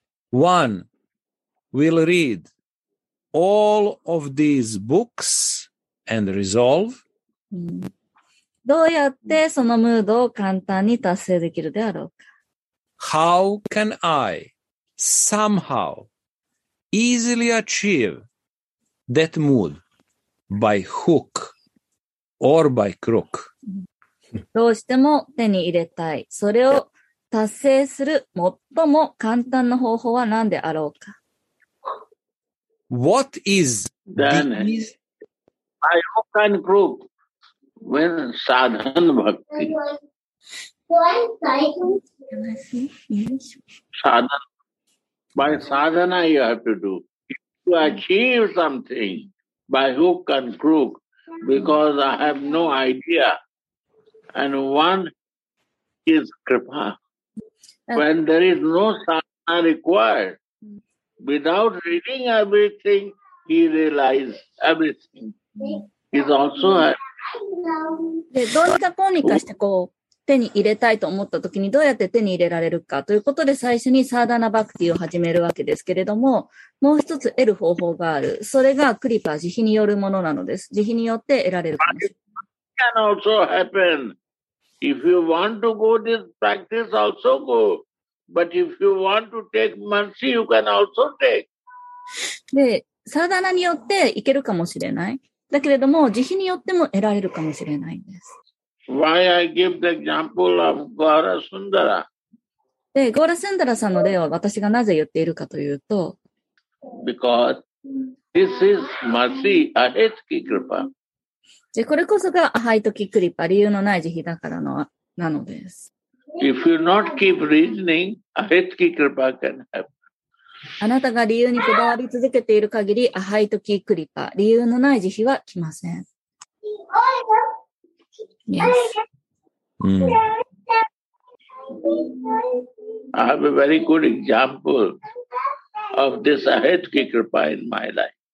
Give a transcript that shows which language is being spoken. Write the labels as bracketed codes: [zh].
[en] One will read all of these books and resolve. [ja] どうやってそのムードを簡単に達成できるであろうか? [en] How can I somehow easily achieve that mood? By hook or by crook. どうしても手に入れたい。それを達成する最も簡単な方法は何であろうか? What is then by hook and crook when sadhana bhakti? By sadhana you have to do. To achieve something. By hook and crook, because I have no idea. And one is kripa. When there is no sadhana required, without reading everything, he realizes everything. He's also a... [ja] で、どうにかこうにかしてこう手に入れたいと思った時にどうやって手に入れられるかということで最初にサーダナバクティを始めるわけですけれどももう一つ得る方法がある。それがクリパ、慈悲によるものなのです。慈悲によって得られるかもしれない。 [en] It can also happen. If you want to go this practice, also go. But if you want to take mercy, you can also take. [ja] で、サーダナによっていけるかもしれない。だけれども、慈悲によっても得られるかもしれないんです。 [en] Why I give the example of Gaura Sundara? [ja] で、ゴーラスンダラさんの例を私がなぜ言っているかというと、 [en] Because this is mercy, ahetki kripa. [ja] で、これこそがアハイトキクリパ、理由のない慈悲だからの、なのです。 [en] If you not keep reasoning, ahetki kripa can happen. [ja] あなたが理由にこだわり続けている限り、アハイトキクリパ、理由のない慈悲は来ません。 [en] Yes. Mm. I have a very good example of this ahetki kripa in my life.